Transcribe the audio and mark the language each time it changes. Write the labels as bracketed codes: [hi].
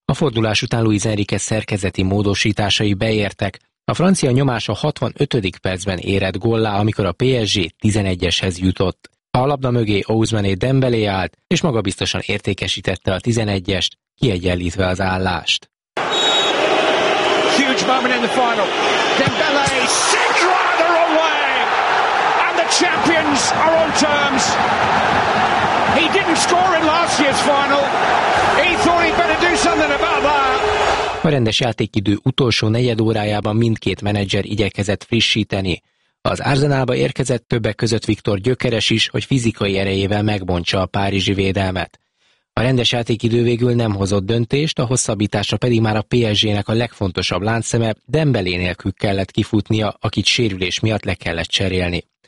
[hu] A fordulás után Luis Enrique szerkezeti módosításai beértek. A francia nyomás a 65. percben érett góllá, amikor a PSG 11-eshez jutott. A labda mögé Ousmane Dembélé állt, és magabiztosan értékesítette a 11-est, kiegyenlítve az állást. [en] Huge moment in the final. Dembélé sent rather away. And the champions are on terms. He didn't score in last year's final. He thought he'd better do something about that. [hu] A rendes játékidő utolsó negyed órájában mindkét menedzser igyekezett frissíteni. Az Arsenalba érkezett többek között Viktor Gyökeres is, hogy fizikai erejével megbontsa a párizsi védelmet. A rendes játékidő végül nem hozott döntést, a hosszabbításra pedig már a PSG-nek a legfontosabb láncszeme Dembélé nélkül kellett kifutnia, akit sérülés miatt le kellett cserélni.